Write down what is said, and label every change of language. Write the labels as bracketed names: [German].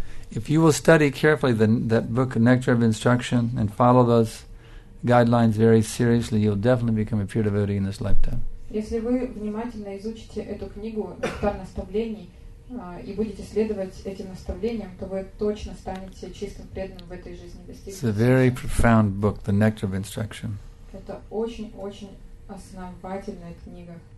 [English] If you will study carefully that book, Nectar of Instruction, and follow those guidelines very seriously, you'll definitely become a pure devotee in this lifetime. [Russian] Если вы внимательно изучите эту книгу «Нектар наставлений» и будете следовать этим наставлениям, то вы точно станете чистым преданным в этой жизни. [English] It's a very profound book, The Nectar of Instruction. [Russian] Это очень-очень основательная книга.